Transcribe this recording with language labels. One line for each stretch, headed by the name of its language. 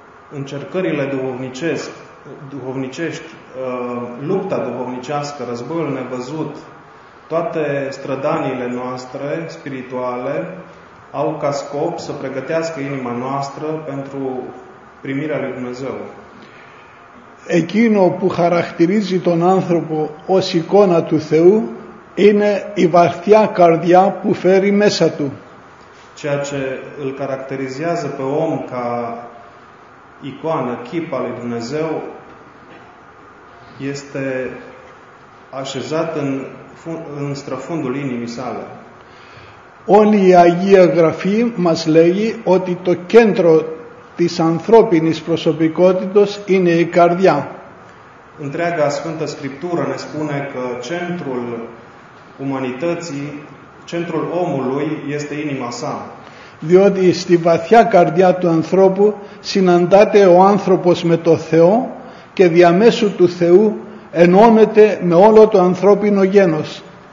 Romanian: Încercările duhovnicești, lupta duhovnicească, războiul nevăzut, toate strădaniile noastre spirituale au ca scop să pregătească inima noastră pentru primirea lui Dumnezeu.
Greek: Εκείνο που χαρακτηρίζει τον άνθρωπο ως εικόνα του Θεού είναι η βαθιά καρδιά που φέρει μέσα του.
Romanian: Ceea ce îl caracterizează pe om ca icoană, chip al lui Dumnezeu, este așezat în străfundul inimii sale.
Greek: Όλη η Αγία Γραφή μας λέει ότι το κέντρο της ανθρώπινης προσωπικότητος είναι η καρδιά.
Romanian: Întreaga Sfântă Scriptură ne spune că centrul umanității, centrul omului este inima sa.
Greek: Διότι στη βαθιά καρδιά του ανθρώπου συναντάται ο άνθρωπος με το Θεό και διαμέσου του Θεού ενώνεται με όλο το ανθρώπινο γένος.